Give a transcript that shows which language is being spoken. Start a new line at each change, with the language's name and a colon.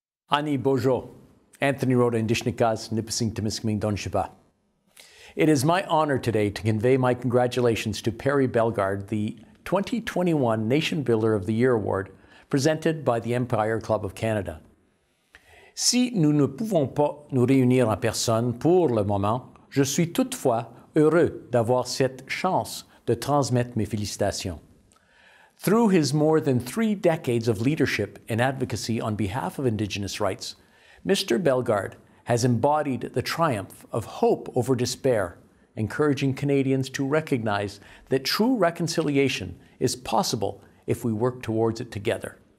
English: Ani Bojo, Anthony Rota, Indishnikaz, Nipissing, Timiskaming, Donshiba. It is my honor today to convey my congratulations to Perry Bellegarde, the 2021 Nation Builder of the Year Award, presented by the Empire Club of Canada.
French: Si nous ne pouvons pas nous réunir en personne pour le moment, je suis toutefois heureux d'avoir cette chance de transmettre mes félicitations.
English: Through his more than three decades of leadership and advocacy on behalf of Indigenous rights, Mr. Bellegarde has embodied the triumph of hope over despair, encouraging Canadians to recognize that true reconciliation is possible if we work towards it together.